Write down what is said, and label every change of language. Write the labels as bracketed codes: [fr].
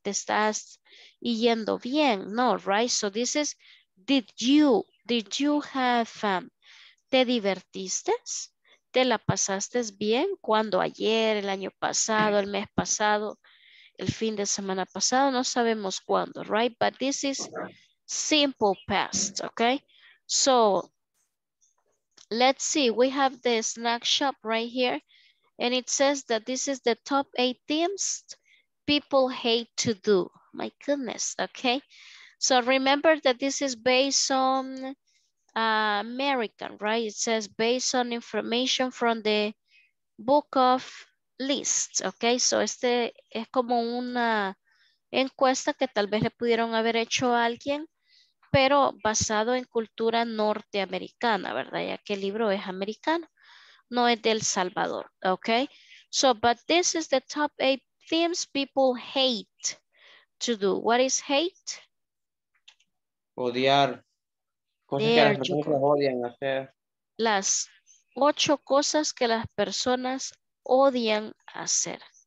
[es] Te estás yendo bien. [en] No, right? So this is, did you have fun? [es] ¿Te divertiste? ¿Te la pasaste bien? ¿Cuándo? Ayer, el año pasado, el mes pasado, el fin de semana pasado, no sabemos cuándo, right? [en] But this is simple past, okay? So, let's see, we have the snack shop right here, and it says that this is the top 8 things people hate to do. My goodness, okay? So remember that this is based on American, right? It says based on information from the book of lists, okay? [es] So este es como una encuesta que tal vez le pudieron haber hecho a alguien, pero basado en cultura norteamericana, ¿verdad? Ya que el libro es americano, no es de El Salvador, ¿ok? [en] So, but this is the top 8 things people hate to do. What is hate? [es] Odiar. Cosas there que las personas odian hacer. Las 8 cosas que las personas odian hacer.